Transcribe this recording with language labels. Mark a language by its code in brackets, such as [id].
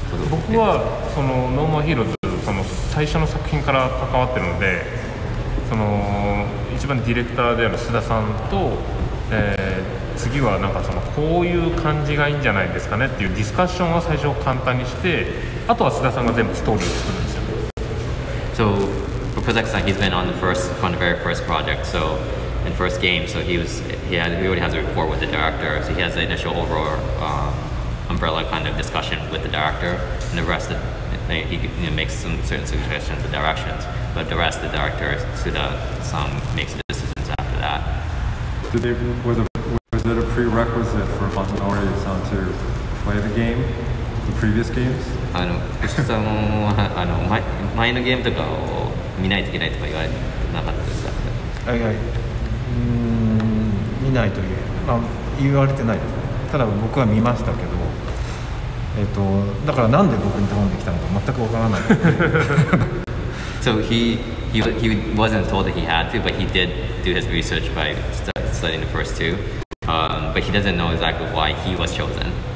[ja] 僕はそのノーマーヒーローズその最初の作品から関わってるので、その一番ディレクターである須田さんと、次はなんかそのこういう感じがいいんじゃないですかねっていうディスカッションは最初簡単にして、あとは須田さんが全部ストーリーを作るんですよ。 [en] So,Kozaki-san, he's been on the very first project, so in first game, so he already has a rapport with the director, so he has the initial overall umbrella kind of discussion with the director, and the rest of, he you know, makes some certain suggestions and directions, but the rest of the director, Suda-san, makes the decisions after that. Was it a prerequisite for Masanori-san to play the game, the previous games? [ja] あの、牛久さんはあの 前のゲームとかを見ないといけないとか言われてなかったですか？はいはい、見ないという、まあ、言われてないです。ただ僕は見ましたけど、だからなんで僕に頼んできたのか全くわからない。 [en] So he wasn't told that he had to, but he did do his research by studying the first two. But he doesn't know exactly why he was chosen.